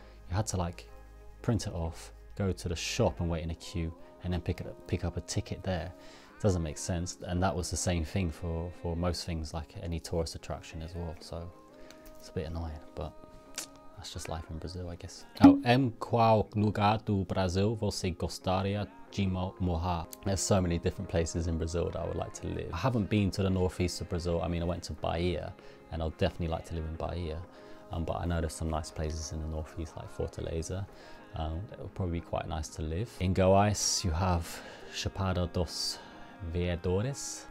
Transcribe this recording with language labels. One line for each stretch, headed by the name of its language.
English: You had to like print it off, go to the shop and wait in a queue, and then pick up a ticket there. It doesn't make sense. And that was the same thing for most things, like any tourist attraction as well. So it's a bit annoying, but that's just life in Brazil, I guess.
Portuguese: Oh, em qual lugar do Brasil você gostaria de morar?
English: There's so many different places in Brazil that I would like to live. I haven't been to the northeast of Brazil. I mean, I went to Bahia, and I'll definitely like to live in Bahia. But I know there's some nice places in the northeast, like Fortaleza. It would probably be quite nice to live. In Goiás, you have Chapada dos Veadores.